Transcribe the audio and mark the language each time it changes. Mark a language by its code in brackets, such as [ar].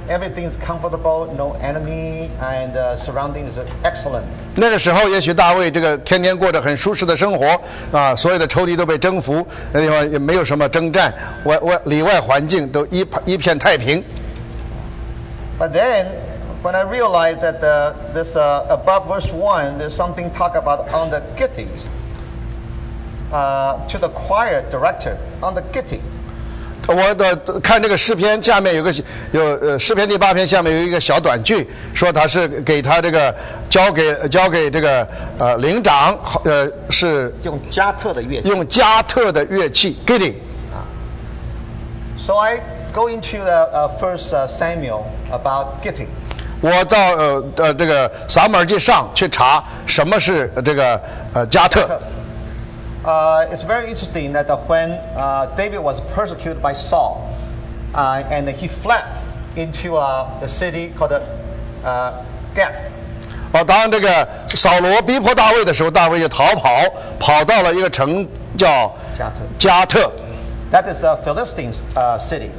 [en] Everything is comfortable, no enemy, and surrounding is excellent. [zh] 那个时候，也许大卫这个天天过着很舒适的生活，啊，所有的仇敌都被征服，那地方也没有什么征战，外里外环境都一片太平。 [en] But then, when I realized that this above verse one, there's something talk about on the gittys, to the choir director on the gittys. [zh] 我的看这个诗篇下面诗篇第八篇下面有一个小短句，说他是给他这个交给这个灵长，是用加特的乐器，用加特的乐器 ，Giddy。 [en] So I go into the first Samuel about Giddy。 [zh] 我到这个撒母耳记上去查什么是这个加特。 [en] It's very interesting that when David was persecuted by Saul, and he fled into the city called Gath. [zh] 当这个扫罗逼迫大卫的时候，大卫就跑到了一个城叫加特。 [en] That is a Philistine city.